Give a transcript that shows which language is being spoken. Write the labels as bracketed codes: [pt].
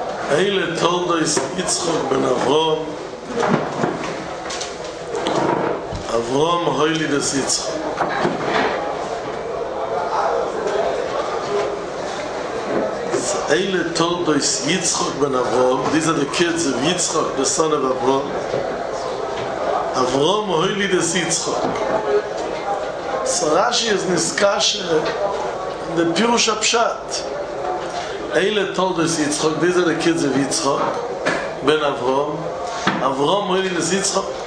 [he] אלה תולדות יצחק בן אברהם. אברהם הוליד את יצחק. אלה תולדות יצחק בן אברהם. [en] These are the kids of יצחק, the son of Abraham. [he] אברהם הוליד את יצחק. רש"י אז נזכר שבפירוש הפשט אלה תולדות יצחק, [en] these are the kids of [he] יצחק, בן אברהם. אברהם הוליד את יצחק.